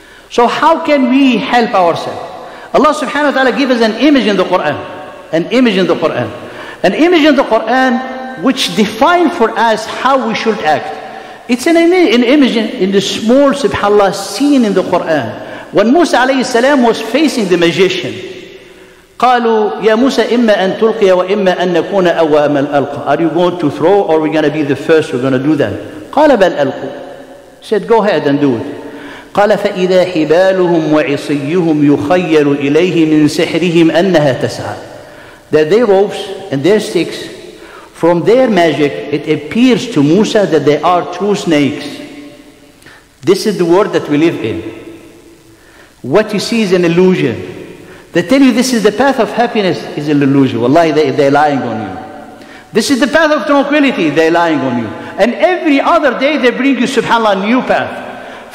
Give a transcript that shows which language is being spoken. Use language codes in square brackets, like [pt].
[en] So how can we help ourselves? Allah subhanahu wa ta'ala gives us an image in the Quran. An image in the Quran which defines for us how we should act. It's an image in the small, subhanAllah, scene in the Quran. When Musa alayhi salam was facing the magician, [ar] قالوا يا موسى إما أن تلقي وإما أن نكون أول ألقى. [en] Are you going to throw or are we going to be the first? We're going to do that. [ar] قال بل ألقوا. [en] Said go ahead and do it. [ar] قال فإذا حبالهم وعصيهم يخيل إليه من سحرهم أنها تسعى. [en] That their ropes and their sticks From their magic, it appears to Musa that they are true snakes. This is the world that we live in. What you see is an illusion. They tell you this is the path of happiness is an illusion. Wallahi, they're lying on you. This is the path of tranquility, they're lying on you. And every other day they bring you, subhanAllah, a new path.